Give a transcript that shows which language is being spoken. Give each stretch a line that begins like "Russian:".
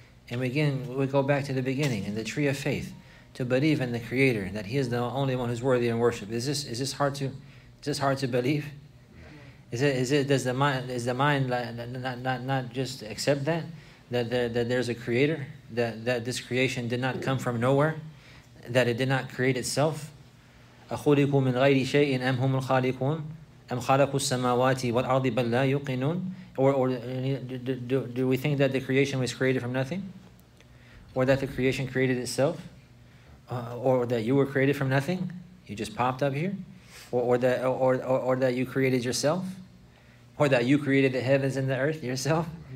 English: And again, we go back to the beginning, in the tree of faith, to believe in the Creator, that He is the only one who's worthy in worship. Is this hard to believe? Does the mind not just accept that there's a Creator, that this creation did not come from nowhere, that it did not create itself?
Arabic: أخلقوا من غير شيء أم هم الخالقون أم خلقوا السماوات والأرض بل لا يوقنون.
English: Or do we think that the creation was created from nothing, or that the creation created itself, or that you were created from nothing, you just popped up here, or that you created yourself, or that you created the heavens and the earth yourself?